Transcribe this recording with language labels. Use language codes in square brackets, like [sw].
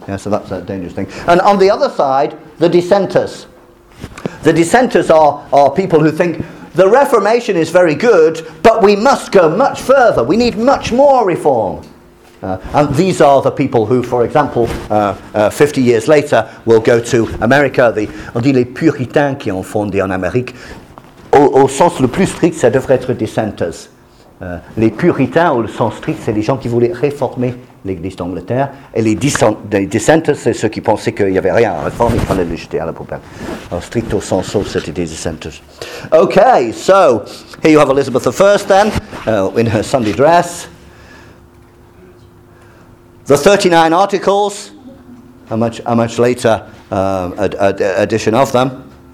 [en] Yeah, so that's a dangerous thing. And on the other side, the dissenters. The dissenters are people who think the Reformation is very good, but we must go much further. We need much more reform. And these are the people who, for example, 50 years later, will go to America. [fr] On dit les puritains qui ont fondé en Amérique. Au sens le plus strict, ça devrait être dissenters. Les puritains, au sens strict, c'est les gens qui voulaient réformer l'Église d'Angleterre. Et les dissenters, c'est ceux qui pensaient qu'il n'y avait rien à réformer, il fallait le jeter à la poubelle. Alors, strict au sens sauf, c'était des dissenters. [en] Okay, so, here you have Elizabeth I, then, in her Sunday dress. The 39 articles, a much later edition of them.